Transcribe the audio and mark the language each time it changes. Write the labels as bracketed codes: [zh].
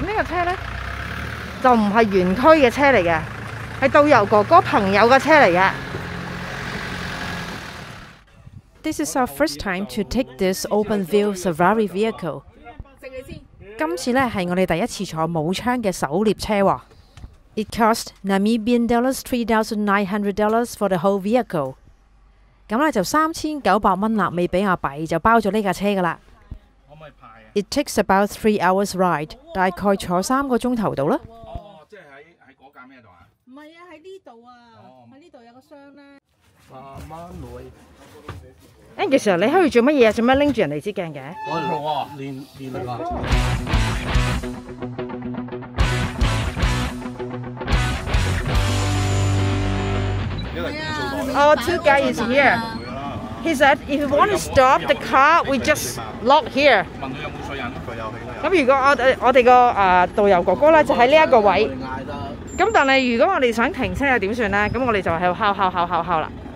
[yue] 咁呢個車咧就唔係園區嘅車嚟嘅，係導遊哥哥朋友嘅車嚟嘅。 [en] This is our first time to take this open view Safari vehicle. [yue] 今次咧系我哋第一次坐冇窗嘅狩猎车喎。 [en] It cost Namibian dollars $3,900 for the whole vehicle。 [yue] 咁咧就3,900納米比亞幣就包咗呢架車噶啦。 [en] It takes about 3 hours ride， [yue] 大概坐三個鐘頭到啦。哦，即系喺嗰架咩度啊？唔係啊，喺呢度啊，喺呢度有個箱咧。慢慢來。 Angus sir， 你喺度做乜嘢啊？做咩拎住人哋支鏡嘅？我錄啊，練啊。 [en] Our tour guide is here. He said if you want to stop the car, we just lock here. [yue] 問佢有冇水印，佢有氣啦。咁如果我哋個導遊哥哥咧就喺呢一個位。咁但係如果我哋想停車又點算咧？咁我哋就喺度敲敲敲敲敲啦。